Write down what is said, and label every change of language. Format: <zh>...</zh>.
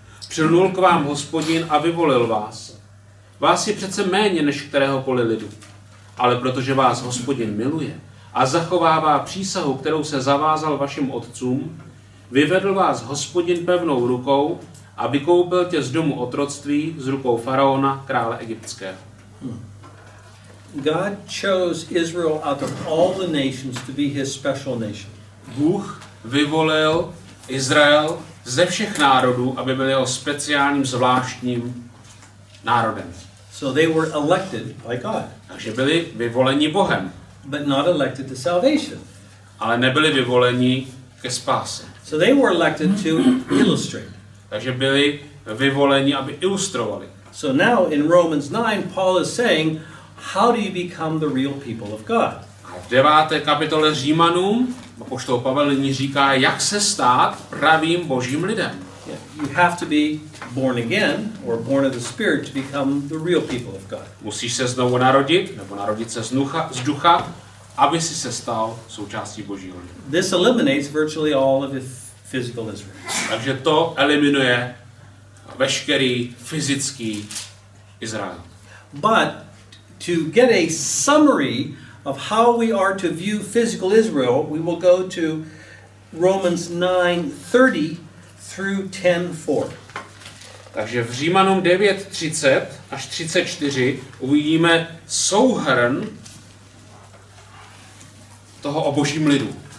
<cs>Přilnul k vám Hospodin a vyvolil vás. Vás je přece méně než kteréhokoliv lidu. Ale protože vás Hospodin miluje a zachovává přísahu, kterou se zavázal vašim otcům, vyvedl vás Hospodin pevnou rukou a vykoupil tě z domu otroctví s rukou faraona, krále egyptského.</cs> <en>God chose Israel out of all the nations to be his special nation.</en> <cs>Bůh vyvolil Izrael ze všech národů, aby byl jeho speciálním zvláštním národem.</cs> <en>So they were elected by God.</en> <cs>Takže byli vyvoleni Bohem.</cs> <en>But not elected to salvation.</en> <cs>Ale nebyli vyvoleni ke spáse.</cs> <en>So they were elected to illustrate.</en> <cs>Takže byli vyvoleni, aby ilustrovali.</cs> <en>So now in Romans 9 Paul is saying, how do you become the real people of God?</en> <cs>V 9. kapitole Římanům apoštol Pavel nyní říká, jak se stát pravým Božím lidem.</cs> <en>You have to be born again or born of the Spirit to become the real people of God.</en> <cs>Musíš se znovu narodit nebo narodit se z ducha, aby si se stal součástí Božího lidu.</cs> <en>This eliminates virtually all of his physical Israel.</en> <cs>Takže to eliminuje veškerý fyzický Izrael.</cs> <en>But to get a summary of how we are to view physical Israel, we will go to Romans 9:30 through 10:4.</en> <cs>Takže v Římanům 9:30 až 34 uvidíme souhrn toho o Božím lidu.</cs>